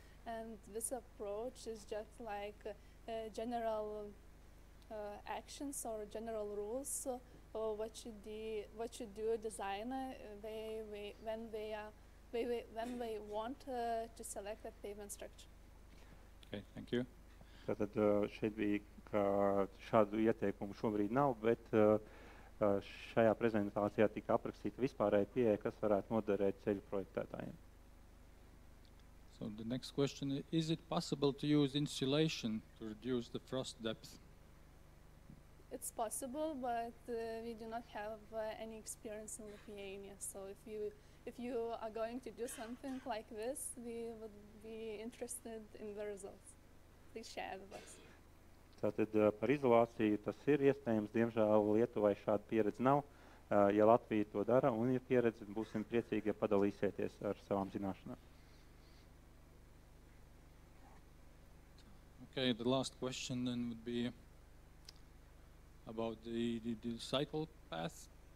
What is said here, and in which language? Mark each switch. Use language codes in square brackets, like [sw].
[en] And this approach is just like general actions or general rules. So, what should do a designer when they want to select a pavement structure. Okay, thank you. [lv] Tātad šeit bija, ka šādu ieteikumu šobrīd nav, bet šajā prezentācijā tika aprakstīta vispārēja pieeja, kas varētu noderēt ceļu projektētājiem. [en] So the next question, is it possible to use insulation to reduce the frost depth? It's possible, but we do not have any experience in Lithuania. So if you are going to do something like this, we would be interested in the results. Please share with us. [lv] Tātad par izolāciju tas ir iespējams. Diemžēl Lietuvai šāda pieredze nav. Ja Latvija to dara un ir pieredze, būsim priecīgi, ja padalīsieties ar savām zināšanām. [en] Okay, the last question then would be about the cycle path.